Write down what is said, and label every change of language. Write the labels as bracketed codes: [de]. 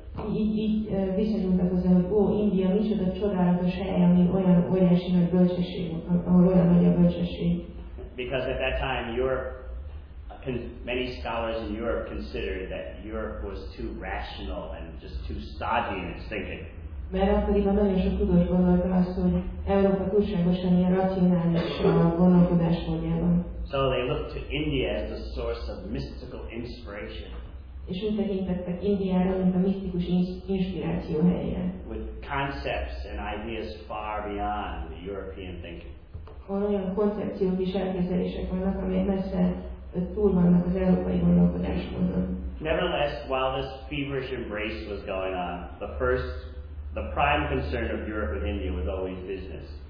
[en] wow, what a place of knowledge and wisdom. [hu] India, micsoda csodálatos hely, ami olyan óriási nagy bölcsesség, ahol olyan nagy a bölcsesség. [en] Because at that time, Europe, many scholars in Europe considered that Europe was too rational and just too stodgy in its thinking. [hu] Mert akkoriban nagyon sok tudós gondolta azt, hogy Európa túlságosan ilyen racionális gondolkodás módjában. [en] So they looked to India as the source of mystical inspiration. [hu] És úgy tekintettek Indiára, mint a misztikus inspiráció helye. [en] With concepts and ideas far beyond the European thinking. [hu] Olyan koncepciók és elképzelések vannak, amelyek messze túl vannak az európai gondolkodásmódon. [en] Nevertheless, while this feverish embrace was going on, the prime concern of Europe and India was always business.